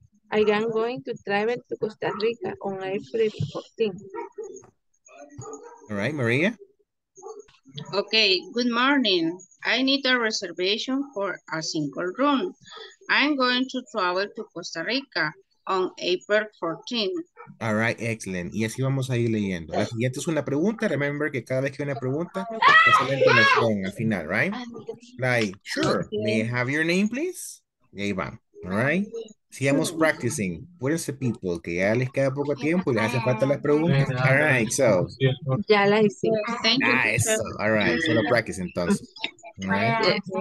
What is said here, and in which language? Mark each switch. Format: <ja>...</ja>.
<en>I am going to travel to Costa Rica on April 14th. All right, Maria. Okay, good morning. I need a reservation for a single room. I'm going to travel to Costa Rica on April 14th. All right, excellent.</en> <es>Y así vamos a ir leyendo. La siguiente es una pregunta. Remember que cada vez que hay una pregunta, es la entonación al final, right?</es> <en>Like, sure, may I have your name, please?</en> <es>Y ahí va, all right? Sigamos practicing. Cuídense, people, que ya les queda poco tiempo y les hacen falta las preguntas.</es> <en>All right, so.</en> <es>Ya la hicimos.</es> <en>Nice. All right, solo practice entonces. All right.</en>